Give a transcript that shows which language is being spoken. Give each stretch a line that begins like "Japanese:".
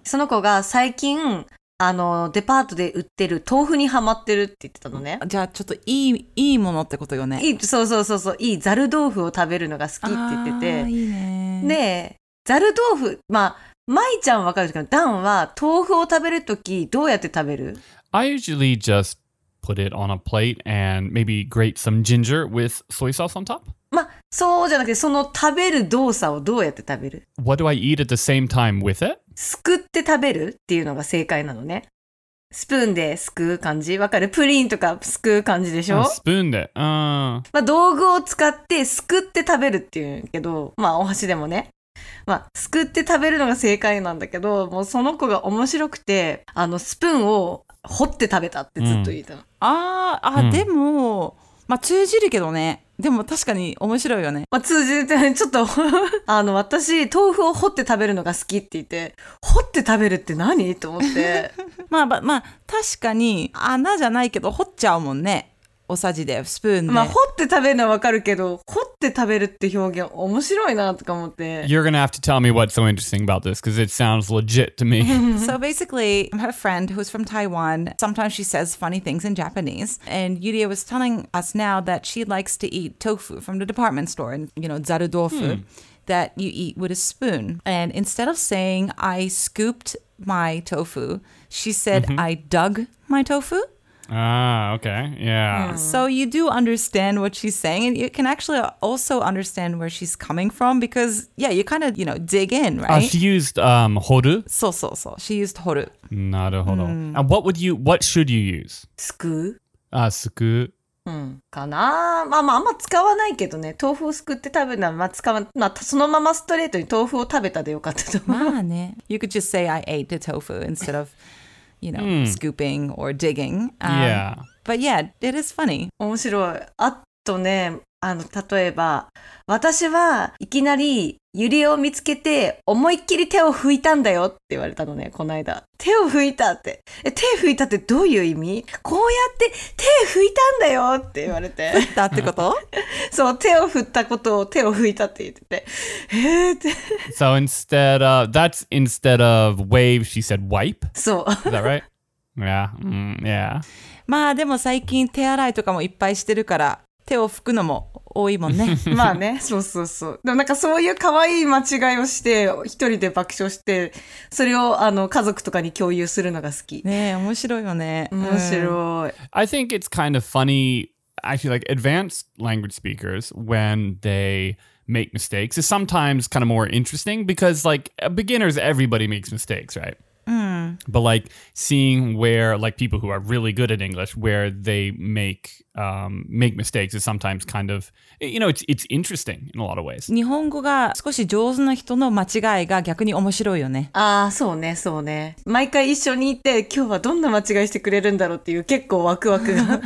Japanese: その子が最近あのデパートで売ってる豆腐にハマってるって言ってたのね。じゃあちょっといいものってことよね。そうそうそうそう、いいザル豆腐を食べるのが好きって言ってて。あ、いいね。で、ザル豆腐、まあマイちゃんわかるけど、ダンは豆腐を食べるときどうやって食べる
English: ？I usually justput it on a plate and maybe grate some ginger with soy sauce on top?
Japanese: まあ、そうじゃなくて、その食べる動作をどうやって食べる？
English: What do I eat at the same time with it?
Japanese: すくって食べるっていうのが正解なのね。スプーンですくう感じ、わかる？プリンとかすくう感じでしょ？あ、スプーンで、うん。まあ、道具を使ってすくって食べるっていうけど、まあ、お箸でもね。まあ、すくって食べるのが正解なんだけど、もうその子が面白くて、あの、スプーンを掘って食べたってずっと言ったの。うん、うん、でも、まあ、通じるけどね。でも確かに面白いよね。まあ、通じて、ちょっと、あの、私、豆腐を掘って食べるのが好きって言って、掘って食べるって何？と思って。まあ、まあ、確かに、穴じゃないけど、掘っちゃうもんね。おさじで、スプーンで。まあ、掘って食べるのはわかるけど、掘って食べるって表現面白いなとか思って。
English: You're gonna have to tell me what's so interesting about this, because it sounds legit to me. So basically, her friend, who's from Taiwan, sometimes she says funny things in Japanese, and Yuria was telling us now that she likes to eat tofu from the department store, and, you know, zaru tofu, that you eat with a spoon. And instead of saying, I scooped my tofu, she said, I dug my tofu. Ah, okay, yeah. So you do understand what she's saying, and you can actually also understand where she's coming from, because, yeah, you kind of, you know, dig in, right? She used horu? So, so, so. She used horu. Naruhodo. And what should you use? Suku. Suku.
Japanese: かな。まあまああんま使わないけどね。豆腐をすくって食べるのは、まあ使わ、まあそのままストレートに豆腐を食べたでよかったと思う。まあね。
English: You could just say, I ate the tofu instead of... You know, scooping or digging. Yeah. But yeah, it is funny.
Japanese: 面白い。あとね、あの、例えば、私はいきなりユリを見つけて思いっきり手を拭いたんだよって言われたのね、この間。手を拭いたって。え、手拭いたってどういう意味？こうやって手拭いたんだよって言われて。拭いたってこと？そう、手を振ったことを手を拭いたって言ってて。えーって。
English: So instead of, that's instead of wave, she said wipe?
Japanese: そう。
English: Is that right? Yeah.、yeah.
Japanese: まあでも最近手洗いとかもいっぱいしてるから。手を拭くのも多いもんね。まあね、そうそうそう。でもなんかそういう可愛い間違いをして、一人で爆笑して、それをあの家族とかに共有するのが好き。ねえ、面白いよね。面白い。
English: I think it's kind of funny, actually, like advanced language speakers, when they make mistakes, is sometimes kind of more interesting, because like beginners, everybody makes mistakes, right? But like seeing where like people who are really good at English where they make, make mistakes is sometimes kind of, you know, it's interesting in a lot of ways.
Japanese: 日本語が少し上手な人の間違いが逆に面白いよね。ああ、そうね、そうね。毎回一緒にいて今日はどんな間違いしてくれるんだろうっていう結構ワクワクが